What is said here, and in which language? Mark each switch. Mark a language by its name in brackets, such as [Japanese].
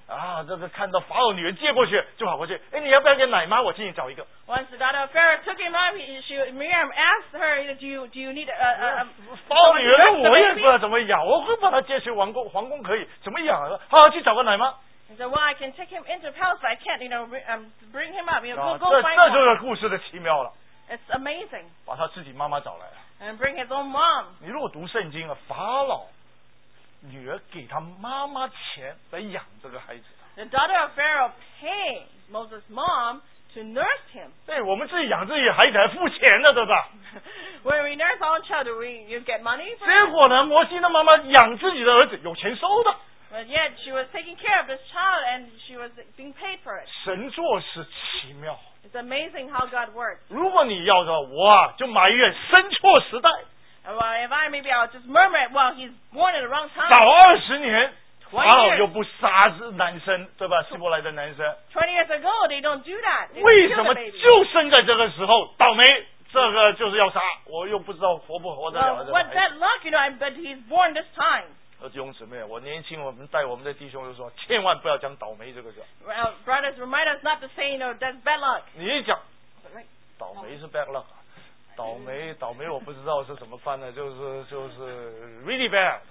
[Chinese] 啊，这个看到法老女儿接过去就跑过去，哎，你要不要给奶妈？我替你找一个。 [English] Once the daughter of Pharaoh took him up, Miriam asked her, "Do you need a?" [Chinese] 法老女儿，我也不知道怎么养，我会把他接去皇宫可以，怎么养？好，去找个奶妈。 [English] He said, "Well, I can take him into the palace, but I can't, bring him up. You know, go find him." [Chinese] 这就是故事的奇妙了。 [English] It's amazing. [Chinese] 把他自己妈妈找来了。 [English] And bring his own mom. [Chinese] 你如果读圣经啊，法老女儿给他妈妈钱来养这个孩子。 [English] The daughter of Pharaoh paid Moses' mom to nurse him. [Chinese] 对，我们自己养自己孩子还付钱呢，对吧？ [English] When we nurse our child, you get money. [Chinese] 结果呢，摩西的妈妈养自己的儿子，有钱收的。 [English] But yet she was taking care of this child and she was being paid for it. [Chinese] 神做事奇妙。 [English] It's amazing how God works. [Chinese] 如果你要的我啊，就埋怨生错时代。 [English] Well, if I maybe I'll just murmur, well, he's born in the wrong time. [Chinese] 早二十年， [English] 20 years. [Chinese] 法老又不杀男生，对吧？希伯来的男生。 [English] 20 years ago, they don't do that. [Chinese] 为什么就生在这个时候倒霉？这个就是要杀，我又不知道活不活得了。 [English] Well, what's that luck, but he's born this time. [Chinese] 弟兄姊妹，我年轻，我们带我们的弟兄就说，千万不要讲倒霉这个事。 [English] Well, brothers, remind us not to say, that's bad luck. [Chinese] 你一讲，倒霉是 bad luck， 倒霉，我不知道是怎么翻的，就是 [English] really bad.